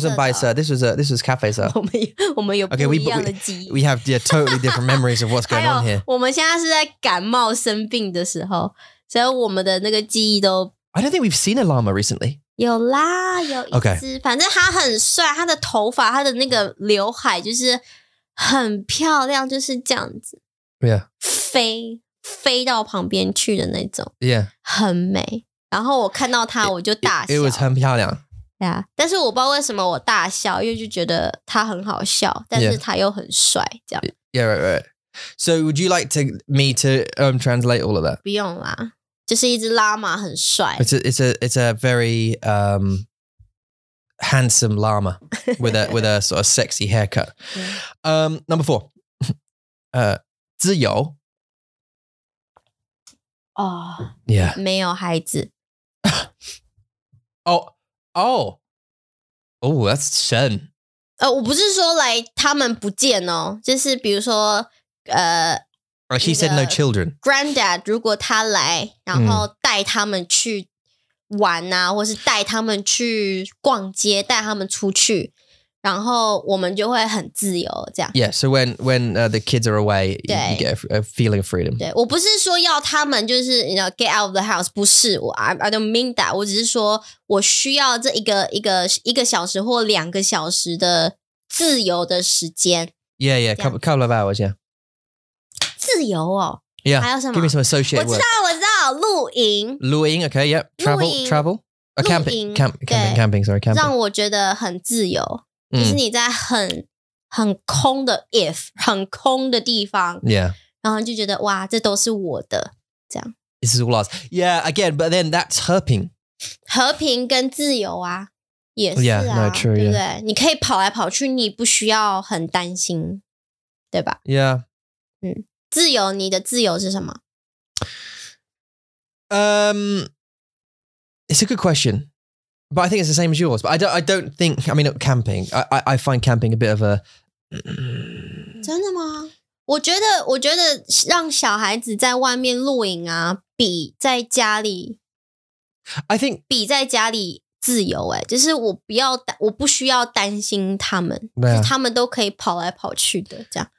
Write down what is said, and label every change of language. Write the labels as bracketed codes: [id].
[en] No, it wasn't 白色 This was cafe, sir. [zh] 我们有不一样的记忆 [en] okay, we have yeah, totally different memories of what's going on here. [zh] 我们现在是在感冒生病的时候所以我们的那个记忆都 [en] I don't think we've seen a llama recently. [zh] 有啦有一只、 [en] okay. [zh] 反正他很帅他的头发他的那个刘海就是很漂亮，就是这样子。 [en] Yeah. [zh] 飞飞到旁边去的那种。 [en] Yeah. [zh] 很美。然后我看到它，我就大笑。 [en] It was [zh] 很漂亮。 [en] Yeah. [zh] 但是我不知道为什么我大笑，因为就觉得它很好笑，但是它又很帅，这样。 [en] Yeah, right, right. So would you like to me to translate all of that? [zh] 不用啦，就是一只拉玛很帅。 [en] It's a very handsome llama with a sort of sexy haircut. Number four. 自由。 Oh, yeah. [zh] 没有孩子。 [en] Oh, that's shen. [zh] 我不是说来他们不见哦，就是比如说 [en] She said no children. [zh] Granddad, 如果他来，然后带他们去玩啊，或是带他们去逛街，带他们出去，然后我们就会很自由，这样。 [en] Yeah, so when the kids are away, you get a feeling of freedom. [zh] 对，我不是说要他们就是 [en] you know, get out of the house, [zh] 不是 [en] I don't mean that. [zh] 我只是说我需要这一个小时或两个小时的自由的时间。 [en] Yeah, yeah, couple of hours, yeah. [zh] 自由哦 [en] yeah, [zh] 还有什么 [en] give me some associated [zh] work 我知道露营 [en] 露营 okay yep travel camping sorry camping [zh] 让我觉得很自由就是你在很空的 很空的地方 [en] yeah [zh] 然后就觉得哇这都是我的这样 [en] this is all ours yeah again but then that's 和平 [zh] 跟自由啊也是啊 [en] yeah, no, true, [zh] 对不对、 [en] yeah. [zh] 你可以跑来跑去你不需要很担心对吧 [en] yeah [zh] 自由，你的自由是什么？ [en] It's a good question, but I think it's the same as yours. But I don't think. I mean, camping. I find camping a bit of a. [zh] 真的吗？我觉得让小孩子在外面露营啊，比在家里。 [en] I think [zh] 比在家里自由哎，就是我不需要担心他们， [en] yeah. [zh] 就是他们都可以跑来跑去的这样。